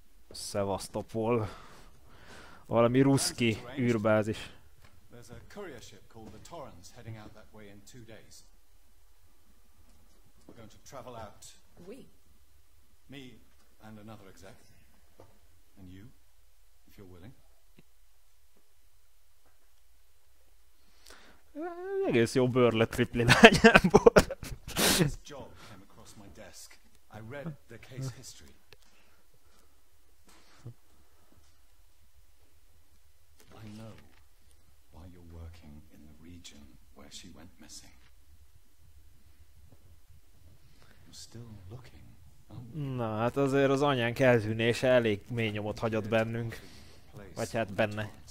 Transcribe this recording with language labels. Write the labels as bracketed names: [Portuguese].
[Hungarian] Sevastopol. Valami ruszki űrbázis. [English] There's a courier ship called the Torrens heading out that way in 2 days. We're going to travel out. We? Me and another exec. And you, if you're willing. [Hungarian] Egész jó bőrlet Ripley lányából. [English] This job came across my desk. I read the case history. I know why you're working in the region where she went missing. You're still looking. [Hungarian] Na, hát azért az anyánk eltűnése elég mély nyomot hagyott bennünk. Vagy hát benne.